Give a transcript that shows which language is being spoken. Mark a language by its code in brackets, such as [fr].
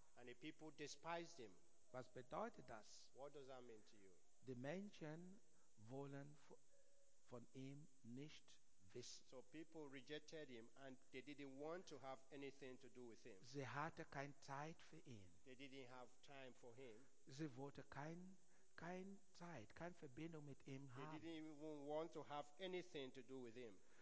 [en] And the people despised him. [de] Was bedeutet das? [en] What does that mean to you? [de] Die Menschen wollen von ihm nicht wissen. [en] So people rejected him and they didn't want to have anything to do with him. [de] Sie hatte kein Zeit für ihn. [en] They didn't have time for him. [de] Sie wollte kein Zeit, keine Verbindung mit ihm [en] they [de] haben. [en] They didn't even want to have anything to do with him.